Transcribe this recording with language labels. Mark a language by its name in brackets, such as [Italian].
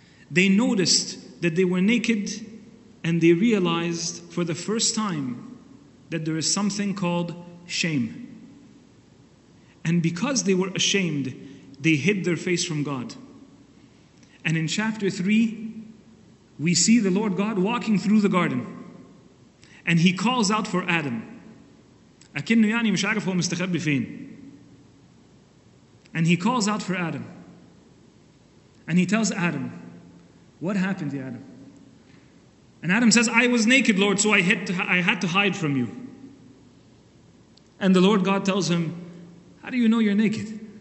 [English] They noticed that they were naked and they realized for the first time that there is something called shame. And because they were ashamed, they hid their face from God. And in chapter 3, we see the Lord God walking through the garden. And he calls out for Adam. [Arabic] أكنه يعني مش عارف هو مستخبي فين. [English] And he calls out for Adam. And he tells Adam, what happened to Adam? And Adam says, I was naked, Lord, so I had to hide from you. And the Lord God tells him, how do you know you're naked?